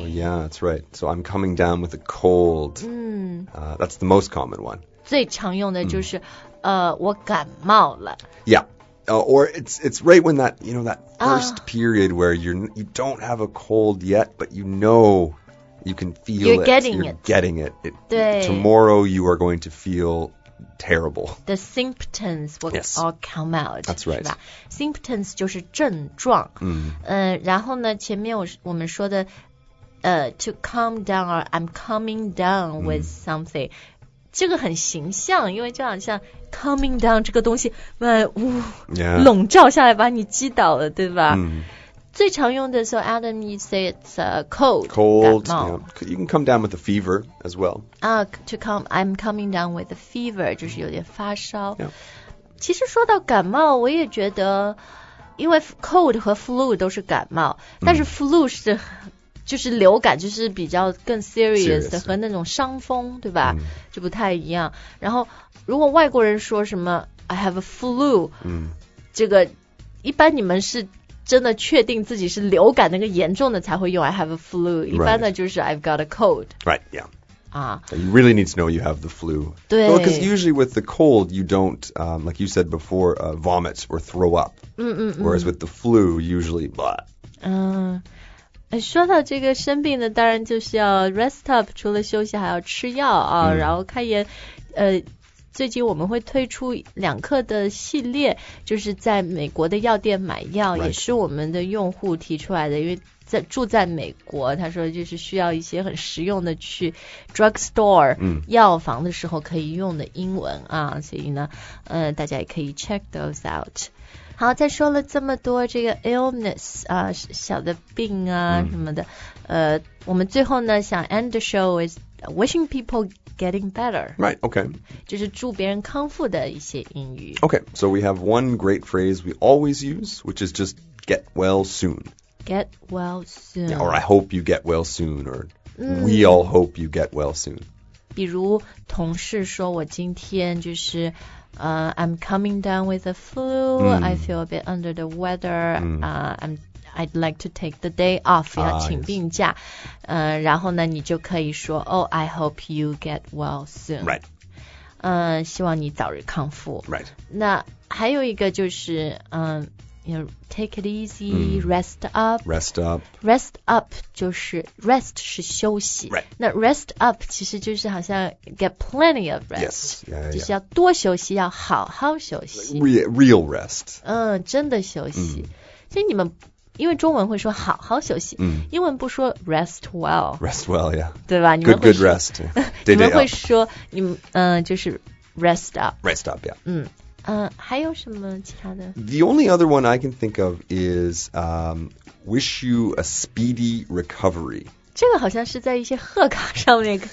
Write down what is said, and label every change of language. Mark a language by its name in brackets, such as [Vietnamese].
[English] Oh, yeah, that's right. So I'm coming down with a cold. That's the most common one. [Chinese] 最常用的就是、mm. 我感冒了。 [English] Yeah. Or it's right when that, you know, that first period where you don't have a cold yet, but you know you can feel you're it. You're getting it. It. [Chinese] 对。 [English] Tomorrow you are going to feel terrible. The symptoms will、 yes. all come out. That's right. [Chinese] Symptoms 就是症状、 mm. 然后呢前面我们说的 [English] to calm down or I'm coming down with something、 [Chinese] mm. 这个很形象因为就好像 coming down 这个东西笼罩下来把你击倒了对吧、 mm. 最常用的 [English] so Adam you say it's cold. Cold. Yeah. You can come down with a fever as well. I'm coming down with a fever. [Chinese] 就是有点发烧。 [English] Yeah. [Chinese] 其实说到感冒我也觉得因为 cold 和 flu 都是感冒、mm. 但是 flu 是就是流感就是比较更 serious 的 [English] serious. [Chinese] 和那种伤风对吧、mm. 就不太一样。然后如果外国人说什么 [English] I have a flu,、 mm. [Chinese] 这个一般你们是真的确定自己是流感那个严重的才会用 [English] I have a flu、 right. [Chinese] 一般的就是 [English] I've got a cold right yeah、啊、 you really need to know you have the flu [Chinese] 对 [English] because、well, usually with the cold you don't、like you said before、vomit or throw up、嗯、 whereas with the flu usually blah、 [Chinese] 说到这个生病的当然就是要 rest up 除了休息还要吃药啊、嗯，然后开炎最近我们会推出两课的系列就是在美国的药店买药、 [English] right. [Chinese] 也是我们的用户提出来的因为在住在美国他说就是需要一些很实用的去 drugstore、 mm. 药房的时候可以用的英文啊所以呢大家也可以 [English] check those out [Chinese] 好再说了这么多这个 illness 啊小的病啊、mm. 什么的我们最后呢想 [English] end the show with wishing peopleGetting better. Right, okay. [Chinese] 就是祝别人康复的一些英语。 [English] Okay, so we have one great phrase we always use, which is just get well soon. Get well soon. Yeah, or I hope you get well soon, or、mm. we all hope you get well soon. [Chinese] 比如同事说我今天就是 [English] I'm coming down with the flu,、 [Chinese] mm. [English] I feel a bit under the weather,、mm. I'd like to take the day off, [Chinese] 要请病假、 [English] yes. [Chinese] 然后呢你就可以说 [English] Oh, I hope you get well soon. Right.、 [Chinese] 希望你早日康复。 [English] Right. [Chinese] 那还有一个就是、 [English] you know, take it easy,、mm. rest up. Rest up. [Chinese] Rest up 就是 rest 是休息。 [English] Right. [Chinese] 那 rest up 其实就是好像 [English] get plenty of rest. Yes. Yeah, yeah, yeah. [Chinese] 就是要多休息要好好休息。 [English] Real rest.、 [Chinese] 真的休息。Mm. 所以你们因为中文会说好好休息、嗯、英文不说 [English] rest well rest well yeah [Chinese] 对吧 [English] good rest day [Chinese] 你们会说你们、就是 rest up [English] rest up yeah、 [Chinese] 嗯还有什么其他的 [English] the only other one I can think of is、wish you a speedy recovery [Chinese] 这个好像是在一些贺卡上面